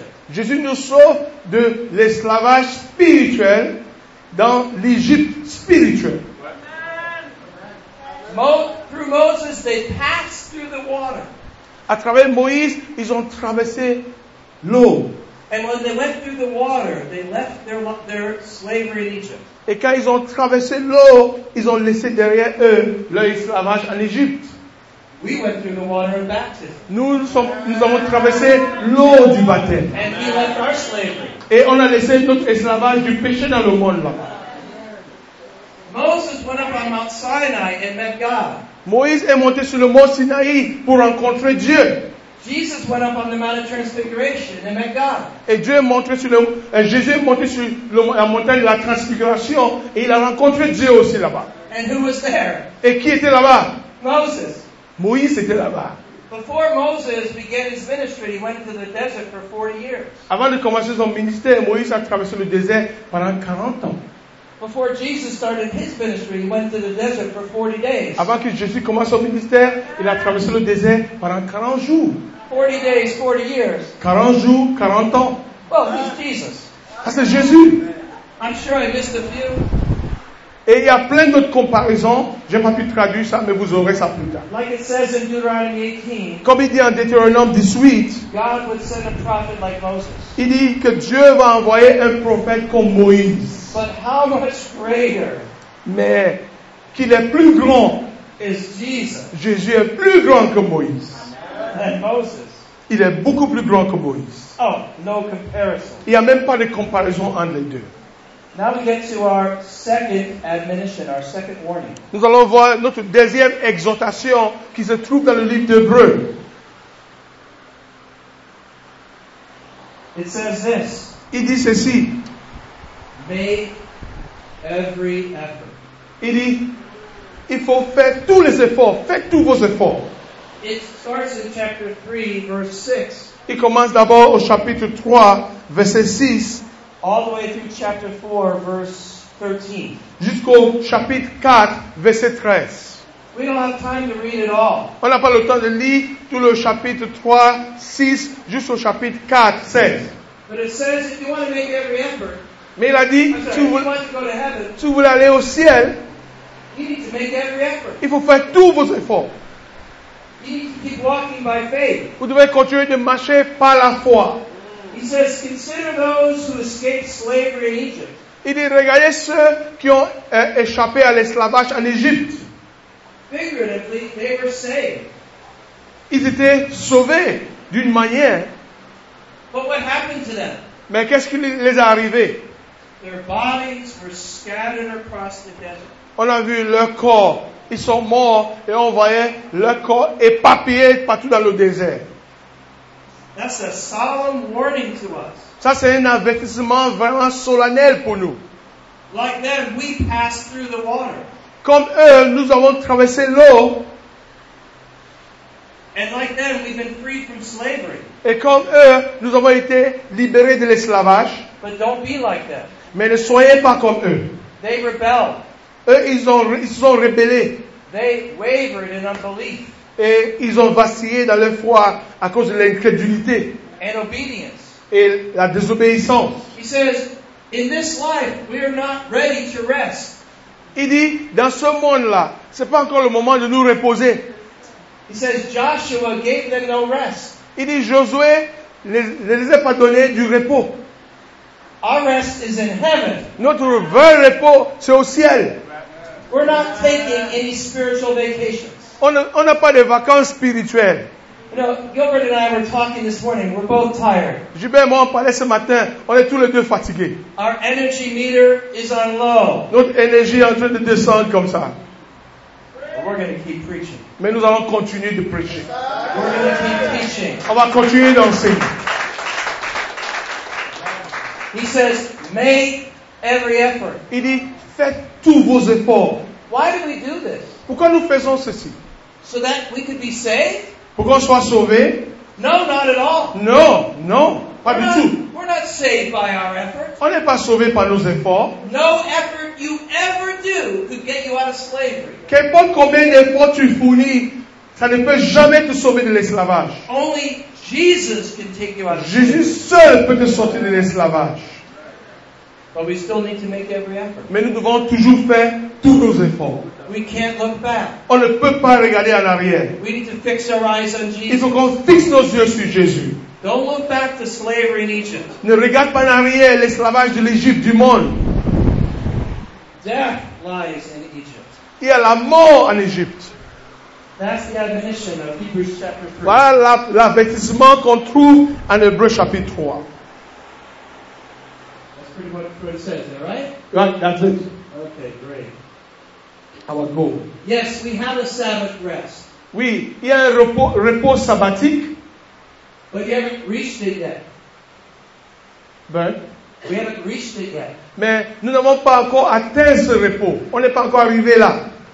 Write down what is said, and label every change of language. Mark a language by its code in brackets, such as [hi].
[fr] Jésus nous sauve de l'esclavage spirituel dans l'Égypte spirituelle. [en] Through Moses, they passed through the water. [fr] À travers Moïse, ils ont traversé l'eau. [en] And when they went through the water, they left their slavery in Egypt. [fr] Et quand ils ont traversé l'eau, ils ont laissé derrière eux leur esclavage en Égypte. [en] We went through the water of baptism. [fr] Nous avons traversé l'eau du baptême. [en] And we left our slavery. [fr] Et on a laissé notre esclavage du péché dans le monde là. [en] Moses went up on Mount Sinai and met God. [fr] Moïse est monté sur le mont Sinaï pour rencontrer Dieu. [en] Jesus went up on the Mount of Transfiguration and met God. [fr] Et Dieu est monté sur le Jésus est monté sur la montagne de la Transfiguration et il a rencontré Dieu aussi là-bas. [en] And who was there? [fr] Et qui était là-bas? [en] Moses. [fr] Moïse était là-bas. [en] Before Moses began his ministry, he went to the desert for 40 years. [fr] Avant de commencer son ministère, Moïse a traversé le désert pendant 40 ans. [en] Before Jesus started his ministry, he went to the desert for 40 days. [fr] Avant que Jésus commence son ministère, il a traversé le désert pendant 40 jours. [en] 40 days, 40 years. [fr] 40 jours, 40 ans. [en] Well, he's Jesus. [fr] Ah, c'est Jésus. [en] I'm sure I missed a few. [fr] Et il y a plein d'autres comparaisons. Je n'ai pas pu traduire ça, mais vous aurez ça plus tard. [en] Like it says in Deuteronomy 18, [fr] comme il dit en Deutéronome 18, [en] God would send a prophet like Moses. [fr] Il dit que Dieu va envoyer un prophète comme Moïse. [en] But how much greater, [fr] mais qu'il est plus grand, [en] is Jesus. [fr] Jésus est plus grand que Moïse. [en] And Moses. [fr] Il est beaucoup plus grand que Moïse. [en] Oh, no comparison. [fr] Il n'y a même pas de comparaison entre les deux. [en] Now we get to our second admonition, our second warning. [fr] Nous allons voir notre deuxième exhortation qui se trouve dans le livre d'Hébreu. [en] It says this. [fr] Il dit ceci. [en] Make every effort. [fr] Il dit, il faut faire tous les efforts. Faites tous vos efforts. [en] It starts in chapter 3, verse 6. [fr] Il commence d'abord au chapitre 3, verset 6. [en] All the way through chapter 4, verse 13. [fr] Jusqu'au chapitre 4, verset 13. [en] We don't have time to read it all. [fr] On n'a pas le temps de lire tout le chapitre 3, 6, jusqu'au chapitre 4, 16. [en] But it says if you want to make every effort. [fr] Mais il a dit, tu voulais aller au ciel. [en] You need to make every effort. [fr] Il faut faire tous vos efforts. [en] You need to keep walking by faith. [fr] Vous devez continuer de marcher par la foi. [en] He says, consider those who escaped slavery in Egypt. [fr] Il dit, regardez ceux qui ont échappé à l'esclavage en Égypte. [en] Figuratively, they were saved. [fr] Ils étaient sauvés d'une manière. [en] But what happened to them? [fr] Mais qu'est-ce qui les est arrivé? [en] Their bodies were scattered across the desert. [fr] On a vu leur corps. Ils sont morts et on voyait leur corps éparpillé partout dans le désert. [en] That's a solemn warning to us. [fr] Ça, c'est un avertissement vraiment solennel pour nous. [en] Like them, we passed through the water. [fr] Comme eux, nous avons traversé l'eau. [en] And like them, we've been free from slavery. [fr] Et comme eux, nous avons été libérés de l'esclavage. [en] But don't be like them. [fr] Mais ne soyez pas comme eux. [en] They rebelled. [fr] Eux, ils ont rebellé. [en] They wavered in unbelief. [fr] Et ils ont vacillé dans leur foi à cause de l'incrédulité. [en] And obedience. [fr] Et la désobéissance. [en] He says, in this life, we are not ready to rest. [fr] Il dit, dans ce monde-là, ce n'est pas encore le moment de nous reposer. [en] He says, Joshua gave them no rest. [fr] Il dit, Josué ne les a pas donné du repos. [en] Our rest is in heaven. [fr] Notre vrai repos, c'est au ciel. [en] We're not taking any spiritual vacations. [fr] On n'a pas de vacances spirituelles. [en] You know, Gilbert and I were talking this morning. We're both tired. [fr] Gilbert et moi, on parlait ce matin. On est tous les deux fatigués. [en] Our energy meter is on low. [fr] Notre énergie est en train de descendre comme ça. [en] But we're going to keep preaching. [fr] Mais nous allons continuer de prêcher. [en] We're going to keep teaching. [fr] On va continuer d'enseigner. [en] He says, make every effort. [fr] Il dit, faites tous vos efforts. [en] Why do we do this? [fr] Pourquoi nous faisons ceci? [en] So that we could be saved? [fr] Pour qu'on soit sauvé? [en] No, not at all. [fr] Non, non, pas [en] we're [fr] du [en] not, [fr] tout. [en] We're not saved by our efforts. [fr] On n'est pas sauvé par nos efforts. [en] No effort you ever do could get you out of slavery. [fr] Qu'importe combien d'efforts tu fournis, ça ne peut jamais te sauver de l'esclavage. [en] Only Jesus can take you out of slavery. [fr] Jésus seul peut te sortir de l'esclavage. [en] But we still need to make every effort. [fr] Mais nous devons toujours faire tous nos efforts. [en] We can't look back. [fr] On ne peut pas regarder en arrière. [en] We need to fix our eyes on Jesus. [fr] Il faut qu'on fixe nos yeux sur Jésus. [en] Don't look back to slavery in Egypt. [fr] Ne regarde pas en arrière l'esclavage de l'Égypte, du monde. [en] Death lies in Egypt. [fr] Il y a la mort en Égypte. [en] That's the admonition of Hebrews chapter 3. [fr] Voilà l'avertissement qu'on trouve en Hébreux chapitre 3. [en] That's pretty much what it says there, right? Right, that's it. Okay, great. Our goal. Yes, we have a Sabbath rest. [fr] Oui, il y a un repos sabbatique. [en] But you haven't reached it yet. But? We haven't reached it yet. [fr] Mais nous n'avons pas encore atteint ce repos. On n'est pas encore arrivé là.